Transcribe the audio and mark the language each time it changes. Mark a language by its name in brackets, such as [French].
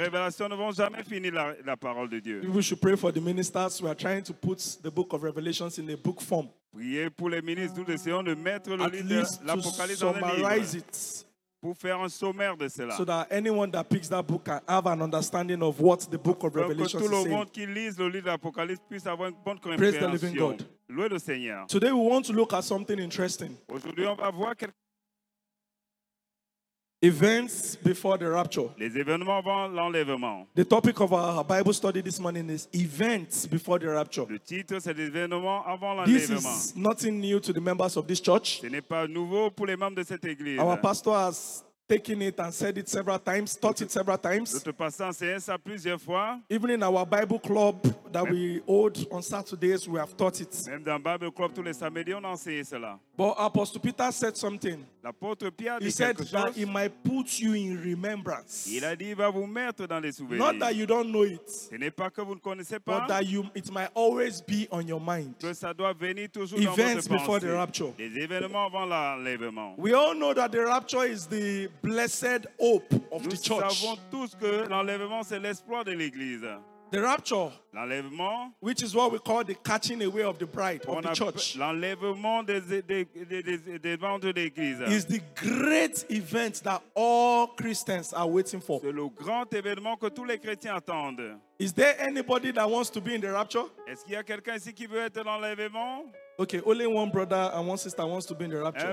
[French] Les révélations ne vont jamais finir la parole de Dieu. [English] We should pray for the ministers. We are trying to put the book of Revelations in a book form. [French] Priez pour les ministres. Nous essayons de mettre le livre de l'Apocalypse dans un livre. [English] At least to summarize it. [French] Pour faire un sommaire de cela. [English] So that anyone that picks that book can have an understanding of what the book of Revelation says. [French] Que tout le monde [English] saying. [French] Qui lise le livre de l'Apocalypse puisse avoir une bonne compréhension. [English] Praise the living God. [French] Louez le Seigneur. [English] Today we want to look at something interesting. [French] Aujourd'hui on va voir [English] events before the rapture. [French] Les événements avant l'enlèvement. [English] The topic of our Bible study this morning is events before the rapture. [French] Le titre c'est les événements avant l'enlèvement. [English] This is nothing new to the members of this church. [French] Ce n'est pas nouveau pour les membres de cette église. [English] Our pastor has taken it and said it several times, taught it several times. [French] Notre pasteur enseigne ça plusieurs fois. [English] Even in our Bible club that we hold on Saturdays, we have taught it. [French] Même dans Bible club tous les samedis, on enseigne cela. [English] But Apostle Peter said something. [French] L'apôtre Pierre dit quelque chose. [English] He said that he might put you in remembrance. [French] Il a dit il va vous mettre dans les souvenirs. [English] Not that you don't know it. [French] Ce n'est pas que vous ne connaissez pas. [English] But that you, it might always be on your mind. [French] Que ça doit venir toujours [English] events [French] dans votre pensée. [English] Events before the rapture. [French] Les événements avant l'enlèvement. [English] We all know that the rapture is the blessed hope of [French] Nous [English] the church. [French] Nous savons tous que l'enlèvement c'est l'espoir de l'église. [English] The rapture, [French] l'enlèvement, [English] which is what we call the catching away of the bride of the church, [French] l'enlèvement des de l'église, [English] is the great event that all Christians are waiting for. [French] C'est le grand événement que tous les chrétiens attendent. [English] Is there anybody that wants to be in the rapture? [French] Est-ce qu'il y a quelqu'un ici qui veut être dans l'enlèvement? [English] Okay, only one brother and one sister wants to be in the rapture.